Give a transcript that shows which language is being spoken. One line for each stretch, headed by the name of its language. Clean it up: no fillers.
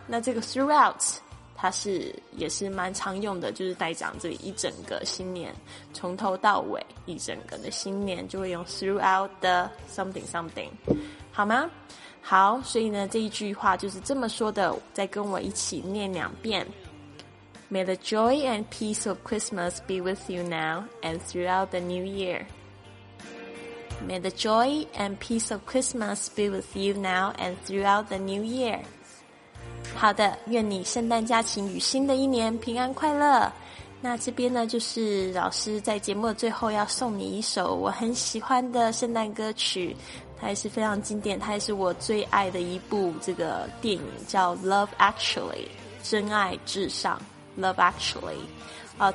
Chinese: 那这个 throughout 它是也是蛮常用的，就是代讲这一整个新年，从头到尾一整个的新年就会用
English: throughout the something something，
Chinese: 好吗？好，所以呢这一句话就是这么说的，再跟我一起念两遍。
English: May the joy and peace of Christmas be with you now and throughout the new year. May the joy and peace of Christmas be with you now and throughout the new year.
Chinese: 好的，愿你圣诞假期与新的一年平安快乐。那这边呢，就是老师在节目的最后要送你一首我很喜欢的圣诞歌曲，它也是非常经典，它也是我最爱的一部这个电影，叫 Love Actually， 真爱至上 Love Actually。